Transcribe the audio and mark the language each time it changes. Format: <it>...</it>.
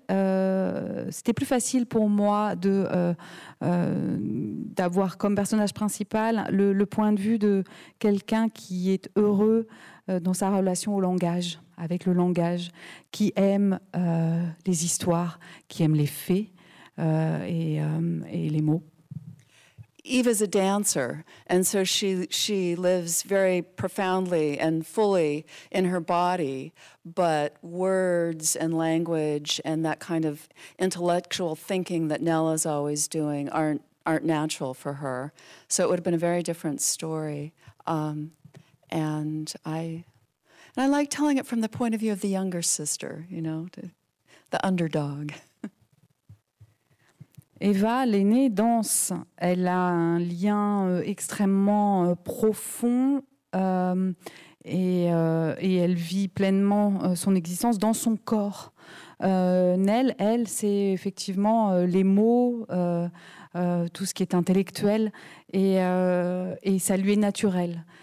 <fr>C'était plus facile pour moi d'avoir comme personnage principal le point de vue de quelqu'un qui est heureux dans sa relation au langage, avec le langage, qui aime les histoires, qui aime les faits. Et les mots.</fr> <en>Eve is a dancer, and so she lives very profoundly and fully in her body, but words and language and that kind of intellectual thinking that Nell is always doing aren't natural for her. So it would have been a very different story. And I like telling it from the point of view of the younger sister, you know, the underdog.</en> <fr>Eva, l'aînée, danse. Elle a un lien extrêmement profond et elle vit pleinement son existence dans son corps. Nell, elle, c'est effectivement les mots, tout ce qui est intellectuel et ça lui est naturel.</fr>